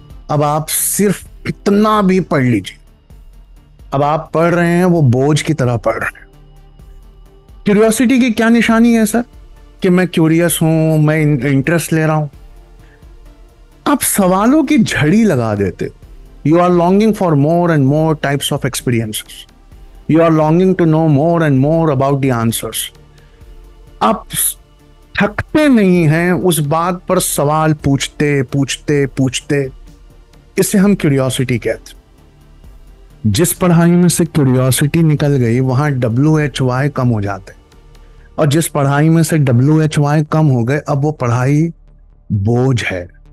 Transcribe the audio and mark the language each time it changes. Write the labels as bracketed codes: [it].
[hi] अब आप सिर्फ इतना भी पढ़ लीजिए, अब आप पढ़ रहे हैं वो बोझ की तरह पढ़ रहे हैं। क्यूरियोसिटी की क्या निशानी है सर? कि मैं क्यूरियस हूं, मैं इंटरेस्ट ले रहा हूं। आप सवालों की झड़ी लगा देते हो। [en] You are longing for more and more types of experiences. You are longing to know more and more about the answers. [hi] आप थकते नहीं हैं उस बात पर सवाल पूछते पूछते पूछते। इसे हम क्यूरियोसिटी कहते। जिस पढ़ाई में से क्यूरियोसिटी निकल गई वहां WHY कम हो जाते, और जिस पढ़ाई में से WHY कम हो गए अब वो पढ़ाई बोझ है।